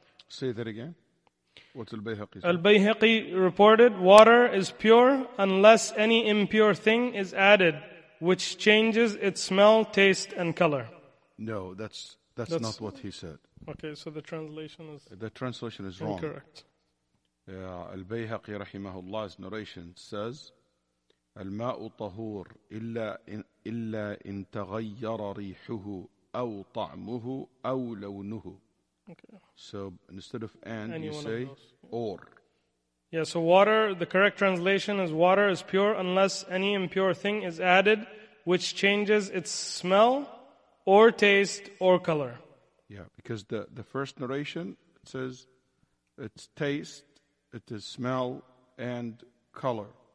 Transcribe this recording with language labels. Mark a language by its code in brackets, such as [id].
[en] Say that again. What's Al-Bayhaqi? Al-Bayhaqi reported, "Water is pure unless any impure thing is added which changes its smell, taste, and color." No, that's not what he said. Okay, so the translation is... The translation is wrong. Incorrect. Yeah, Al-Bayhaqi rahimahullah's narration says, [ar] الماء طهور إلا إن تغير ريحه أو طعمه أو لونه. [en] Okay. So instead of and, you say or. Yeah, so water, the correct translation is water is pure unless any impure thing is added which changes its smell or taste or color. Yeah, because the first narration it says it's taste, it is smell and color.